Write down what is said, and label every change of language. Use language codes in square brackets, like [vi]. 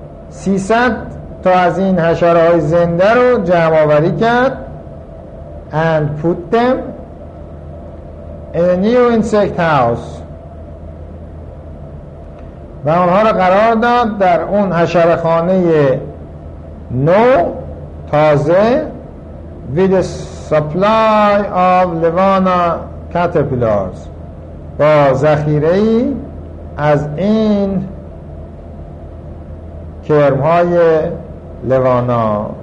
[fa] 300 تا از این حشره های زنده رو جمع آوری کرد. [en] And put them in a new insect house. [fa] و اونها رو قرار داد در اون حشره خانه نو تازه، [en] with a supply of Levana caterpillars، [fa] با ذخیره ای از این کرم های لوانا.